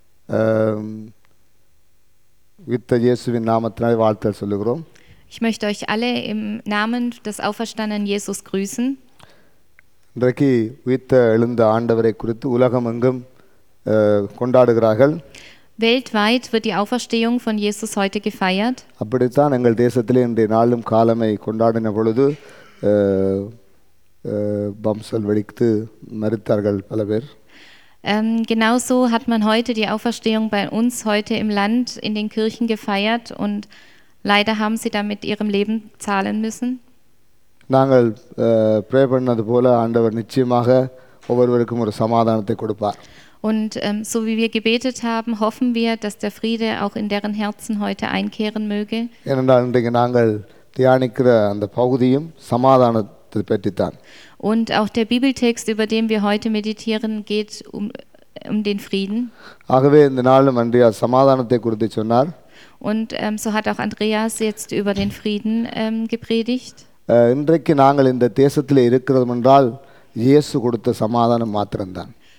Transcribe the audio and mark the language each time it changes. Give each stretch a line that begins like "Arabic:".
Tamil: கிறிஸ்து இயேசுவின் நாமத்தினாலே வாழ்த்து சொல்லுகிறோம்.
German: Ich möchte euch alle im Namen des auferstandenen Jesus grüßen. Weltweit wird die Auferstehung von Jesus heute gefeiert. Genauso hat man heute die Auferstehung bei uns heute im Land in den Kirchen gefeiert und leider haben sie damit ihrem Leben zahlen müssen.
Tamil: நாங்கள் pray பண்ணது போல ஆண்டவர் நிச்சயமாக ஒவ்வொருவருக்கும் ஒரு சமாதானத்தை கொடுப்பார்.
German: Und so wie wir gebetet haben, hoffen wir, dass der Friede auch in deren Herzen heute einkehren möge.
Tamil: ஏனென்றால் இன்றைக்கு நாங்கள் தியானிக்கிற அந்த பகுதியும் சமாதானத்தை பற்றி தான்.
German: Und auch der Bibeltext, über den wir heute meditieren, geht um den Frieden.
Tamil: ஆகவே இந்த நாளும் அன்றியா சமாதானத்தை குறித்து சொன்னார்.
German: Und so hat auch Andreas jetzt über den Frieden gepredigt.
Tamil: இன்றைக்கு நாங்கள் இந்த தேசத்திலே இருக்கிறோம் என்றால் இயேசு கொடுத்த சமாதானம் மாத்திரம்தான்.